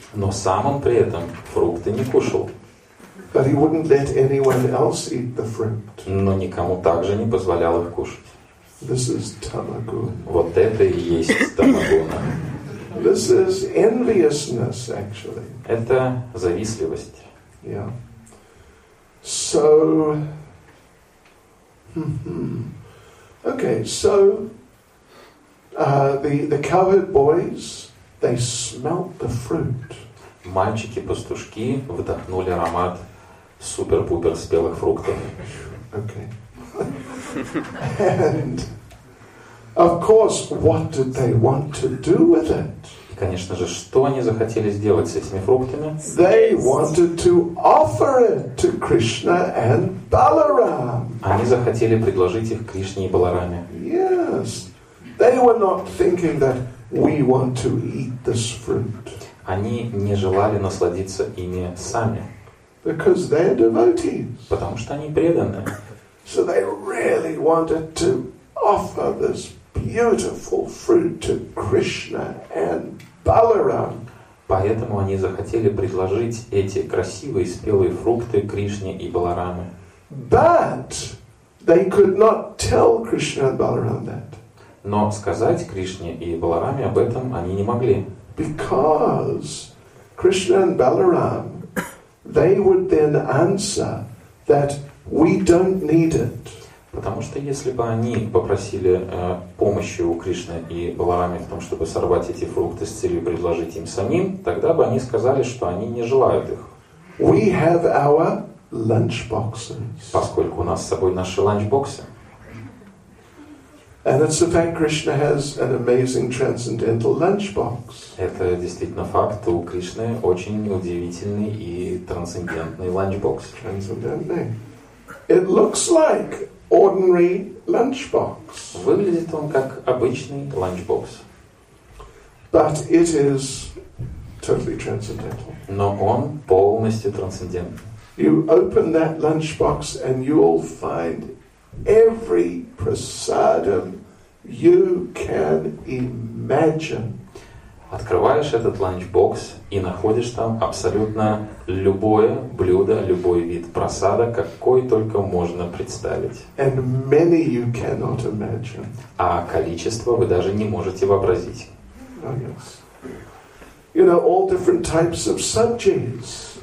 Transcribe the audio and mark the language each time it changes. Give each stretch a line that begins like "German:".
Russian: Но сам он при этом фрукты не кушал.
English: But he wouldn't let anyone else eat the fruit.
Russian: Но никому также не позволял их кушать.
English: This is tamaguna.
Russian: Вот это и есть тамагуна.
English: This is enviousness, actually.
Russian: Это завистливость.
English: Yeah. So, okay. So, the cowherd boys, they smelt the fruit.
Russian: Мальчики-пастушки вдохнули аромат супер-пупер спелых фруктов.
English: Okay. And of course, what did they want to do with it?
Russian: Конечно же, что они захотели сделать с этими фруктами?
English: They wanted to offer it to Krishna and Balaram.
Russian: Они захотели предложить их Кришне и Балараме.
English: Yes. They were not thinking that we want to eat this fruit.
Russian: Они не желали насладиться ими сами.
English: Because they're devotees.
Russian: Потому что они преданные.
English: So they really wanted to offer this beautiful fruit to Krishna and Balaram.
Russian: Поэтому они захотели предложить эти красивые спелые фрукты Кришне и Балараме.
English: But they could not tell Krishna and Balaram that.
Russian: Но сказать Кришне и Балараме об этом они не могли.
English: Because Krishna and Balaram, they would then answer that we don't need it.
Russian: Потому что если бы они попросили помощи у Кришны и Баларами в том, чтобы сорвать эти фрукты с целью предложить им самим, тогда бы они сказали, что они не желают их.
English: We have our lunch boxes.
Russian: Поскольку у нас с собой наши ланчбоксы.
English: And it's a fact Krishna has an amazing transcendental lunchbox.
Russian: Это действительно факт. У Кришны очень удивительный и трансцендентный ланчбокс.
English: Transcendental. It looks like ordinary lunchbox.
Russian: Выглядит он как обычный ланчбокс.
English: But it is totally transcendental.
Russian: Но он полностью трансцендентный.
English: You open that lunchbox and you will find every prasadam you can imagine.
Russian: Открываешь этот ланчбокс и находишь там абсолютно любое блюдо, любой вид просада, какой только можно представить.
English: And many you cannot imagine.
Russian: А количество вы даже не можете вообразить.
English: Oh, yes. You know, all different types of subjis.